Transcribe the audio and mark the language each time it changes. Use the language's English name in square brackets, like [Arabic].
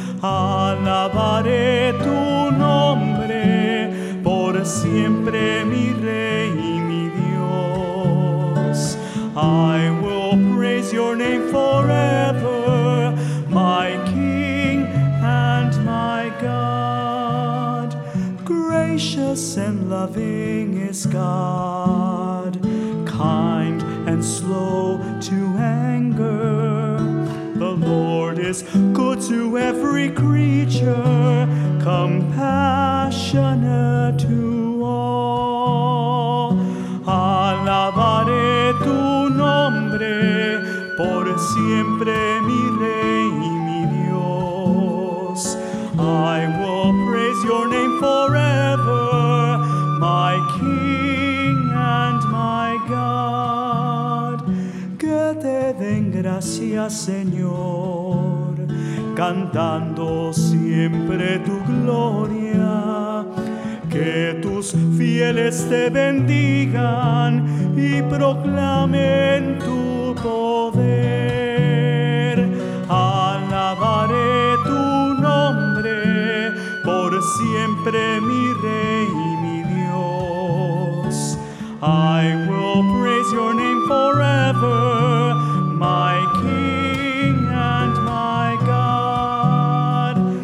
[Spanish] Alabaré tu nombre por siempre, mi rey y mi Dios. [English] I will praise your name forever, my King and my God. Gracious and loving is God, kind and slow to anger. The Lord is good to every creature, compassionate to all. Alabaré tu nombre por siempre, mi rey y mi Dios. I will praise your name forever, my King and my God. [Spanish] Que te den gracias, Señor, cantando siempre tu gloria. Que tus fieles te bendigan y proclamen tu poder. Alabaré tu nombre por siempre, mi rey y mi Dios. [English] I will praise your name forever, my King and my God.